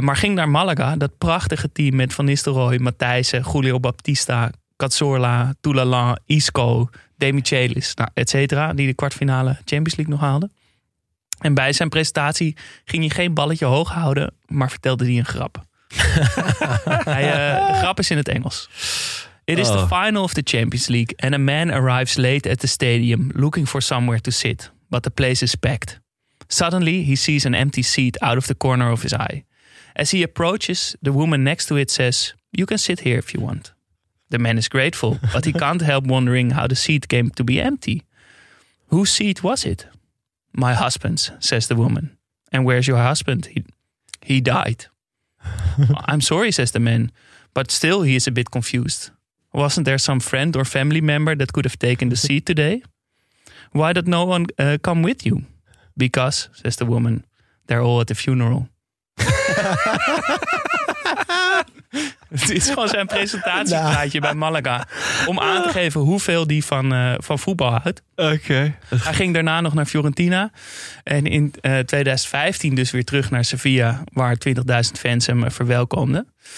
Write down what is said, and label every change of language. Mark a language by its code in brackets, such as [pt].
[nl] Maar ging naar Malaga. Dat prachtige team met Van Nistelrooy, Matthijssen, Julio Baptista, Cazorla, Toulalan, Isco, Demichelis, nou, et cetera. Die de kwartfinale Champions League nog haalden. En bij zijn presentatie ging hij geen balletje hoog houden, maar vertelde hij een grap. Hij, de grap is in het Engels. [en] It is the final of the Champions League and a man arrives late at the stadium looking for somewhere to sit, but the place is packed. Suddenly, he sees an empty seat out of the corner of his eye. As he approaches, the woman next to it says, "You can sit here if you want." The man is grateful, but he can't help wondering how the seat came to be empty. "Whose seat was it?" "My husband's," says the woman. "And where's your husband?" He died. "I'm sorry," says the man, but still he is a bit confused. "Wasn't there some friend or family member that could have taken the seat today? Why did no one come with you?" "Because," says the woman, "they're all at the funeral." [nl] Dit is gewoon zijn presentatiepraatje bij Malaga. Om aan te geven hoeveel die van voetbal houdt. Okay. Hij ging daarna nog naar Fiorentina. En in 2015 dus weer terug naar Sevilla, waar 20.000 fans hem verwelkomden.